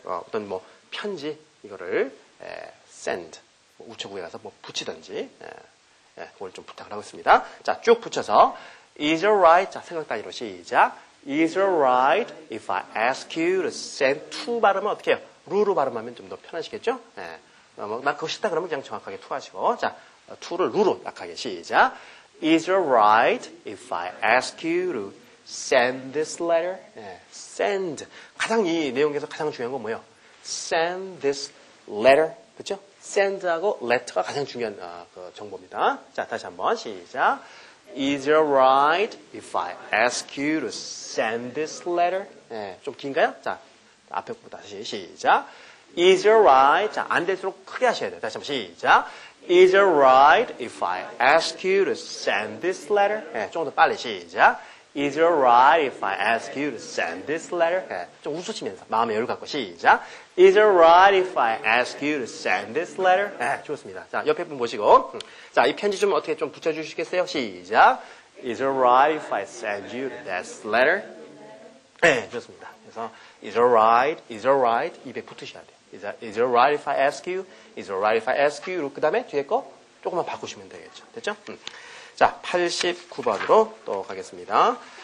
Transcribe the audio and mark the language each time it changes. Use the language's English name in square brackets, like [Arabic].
[Korean] 어떤 뭐 편지 이거를 send 우체국에 가서 뭐 붙이든지 그걸 좀 부탁을 하고 있습니다. 자, 쭉 붙여서 [English] Is it right? [Korean] 자, 생각 단위로 시작. [English] Is it right if I ask you to send to [Korean] 발음은 어떻게 해요? 루로 발음하면 좀 더 편하시겠죠? 예. 뭐, 나 그거 싫다 그러면 그냥 정확하게 투 하시고. 자, 투를 루로 약하게 시작. [English] Is it right if I ask you to send this letter? 예. Send. [Korean] 가장 이 내용에서 가장 중요한 건 뭐예요? [English] Send this letter. [Korean] 그렇죠? Send하고 letter가 가장 중요한 그 정보입니다. 자, 다시 한번 시작. [English] Is it right if I ask you to send this letter? [Korean] 예. 좀 긴가요? 자. 앞에 거 다시 시작. [English] Is it right? [Korean] 자, 안 될수록 크게 하셔야 돼요. 다시 한번 시작. [English] Is it right if I ask you to send this letter? [Korean] 예, 좀 더 빨리 시작. [English] Is it right if I ask you to send this letter? [Korean] 예, 좀 웃으시면서 마음의 여유를 갖고 시작. [English] Is it right if I ask you to send this letter? [Korean] 예, 좋습니다. 자, 옆에 분 보시고. 자, 이 편지 좀 어떻게 좀 붙여주시겠어요? [English] 시작. Is it right if I send you this letter? [Korean] 예, 좋습니다. [English] 그래서 Is it alright? Is it alright? [Korean] 입에 붙으셔야 돼요. [English] Is it alright if I ask you? Is it alright if I ask you? [Korean] 그 다음에 뒤에 거 조금만 바꾸시면 되겠죠. 됐죠? 자, 89번으로 또 가겠습니다.